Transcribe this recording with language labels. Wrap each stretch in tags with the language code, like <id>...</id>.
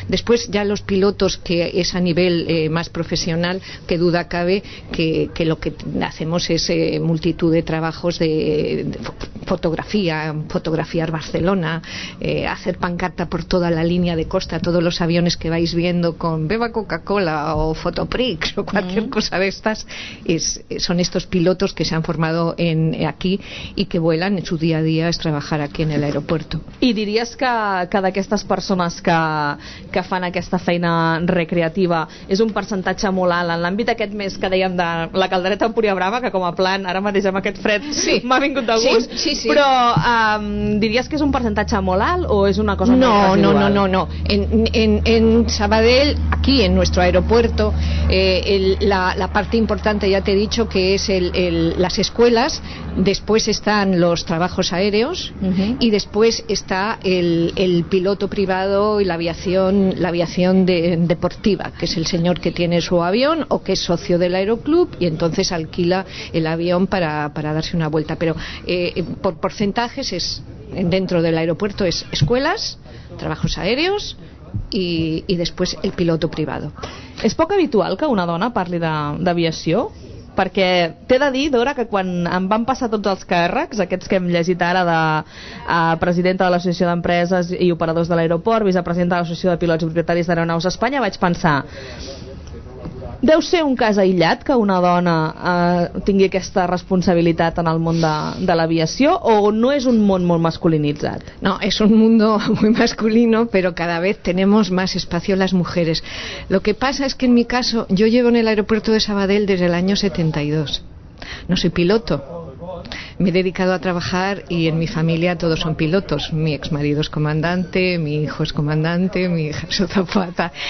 <es>Después ya los pilotos, que es a nivel más profesional, que duda cabe que lo que hacemos es multitud de trabajos de fotografiar Barcelona, hacer pancarta por toda la línea de costa, todos los aviones que vais viendo con beba Coca-Cola o Fotoprix o cualquier cosa de estas, son estos pilotos que se han formado aquí y que vuelan en su día a día, es trabajar aquí en el aeropuerto.</es> <ca>I diries que d'aquestes persones que fan aquesta feina recreativa és un percentatge molt alt en l'àmbit aquest mes que dèiem de la caldereta Empúria Brava, que com a plan ara mateix amb aquest fred sí, m'ha vingut de gust, sí. Però diries que és un percentatge molt alt o és una cosa no.</ca> <es>En Sabadell, aquí en nuestro aeropuerto, la parte importante, ya te he dicho, que es las escuelas, después están los trabajos aéreos, y después está el piloto privado y la aviación deportiva, que es el señor que tiene su avión o que es socio del aeroclub y entonces alquila el avión para darse una vuelta. Pero por porcentajes es dentro del aeropuerto es escuelas, trabajos aéreos y después el piloto privado. ¿Es poco habitual que una</es> <ca>dona parli</ca> <es>de aviación?</es> <ca>Perquè t'he de dir, Dora, que quan em van passar tots els càrrecs, aquests que hem llegit ara de presidenta de l'Associació d'Empreses i Operadors de l'Aeroport, vicepresidenta de l'Associació de Pilots i Propietaris d'Aeronaus Espanya, vaig pensar, deu ser un cas aïllat que una dona tingui aquesta responsabilitat en el món de l'aviació, o no és un món molt masculinitzat?</ca> <es>No, es un mundo muy masculino, pero cada vez tenemos más espacio las mujeres. Lo que pasa es que en mi caso, yo llevo en el aeropuerto de Sabadell desde el año 72. No soy piloto. Me he dedicado a trabajar y en mi familia todos son pilotos. Mi ex marido es comandante, mi hijo es comandante, mi hija es azafata.</es>